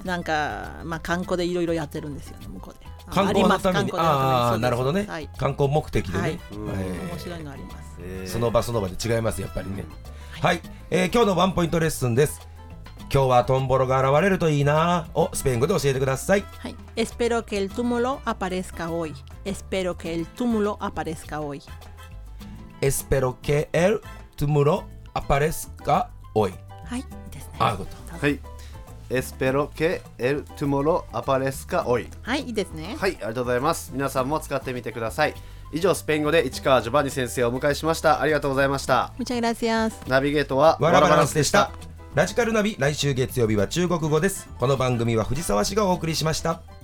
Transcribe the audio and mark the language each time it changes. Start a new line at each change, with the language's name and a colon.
Japanese: なんか、まあ、観光でいろいろやってるんですよね、向こうで。観光のために、なるほどね、はい、観光目的でね、はい、面白いのあります。その場その場で違いますやっぱりね、はい、今日のワンポイントレッスンです。今日はトンボロが現れるといいなをスペイン語で教えてください。
Spanish: はい、Espero que el túmulo aparezca hoy. Espero que el túmulo aparezca hoy. Espero que el túmulo aparezca hoy.
Japanese: はい、ですね。ああ、よかった
Spanish: 。はい、Espero que el túmulo aparezca hoy.
Japanese: はい、いいですね。はい、ありがとうございます。皆さんも使ってみてください。以上、スペイン語で市川ジョバニ先生をお迎えしました。ありがとうございました。
Spanish: Muchas gracias.
Japanese: ナビゲートはワラバランスでした。ラジカルナビ、来週月曜日は中国語です。この番組は藤沢氏がお送りしました。